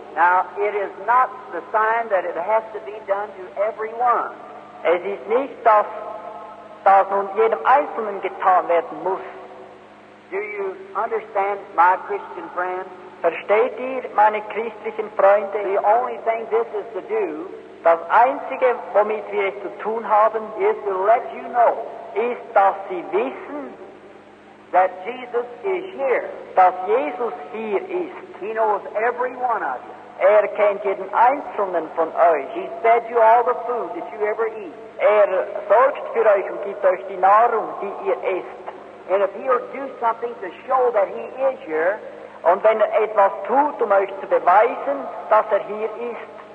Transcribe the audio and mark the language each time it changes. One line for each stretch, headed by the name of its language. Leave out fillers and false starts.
English: now, it is not the sign that it has to be done to everyone.
German: Es ist nicht, dass das nun jedem Einzelnen getan werden muss.
English: Do you understand, my Christian friend?
German: Versteht ihr, meine christlichen Freunde?
English: The only thing this is to do,
German: das Einzige, womit wir es zu tun haben,
English: is to let you know,
German: ist, dass sie wissen,
English: that Jesus is here.
German: Dass Jesus hier ist.
English: He knows every one of you.
German: Kennt jeden Einzelnen von euch.
English: He fed you all the food that you ever eat.
German: Sorgt für euch und gibt euch die Nahrung, die ihr esst.
English: And if he'll do something to show that he is here,
German: und wenn etwas tut, euch zu beweisen, dass hier ist,